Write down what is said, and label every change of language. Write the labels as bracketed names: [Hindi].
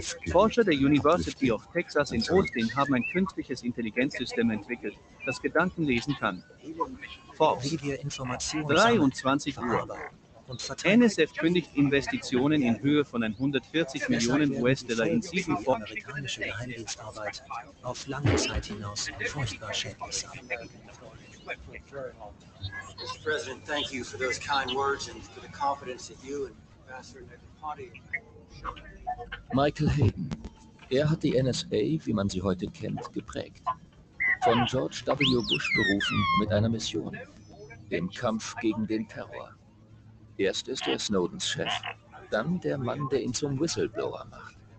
[German] Forscher der University of Texas in Austin haben ein künstliches Intelligenzsystem entwickelt, das Gedanken lesen kann. Forbes. 23 Uhr. NSF kündigt Investitionen in Höhe von 140 Millionen US-Dollar in 7 Forschungen. Amerikanische Geheimdienstarbeit auf lange Zeit hinaus furchtbar schädlich sein. [English] Mr. President, thank you for those kind words and for the confidence that you and Ambassador Negroponte [German] Michael Hayden. Er hat die NSA, wie man sie heute kennt, geprägt. Von George W. Bush berufen mit einer Mission. Dem Kampf gegen den Terror. Erst ist er Snowdens Chef, dann der Mann, der ihn zum Whistleblower macht.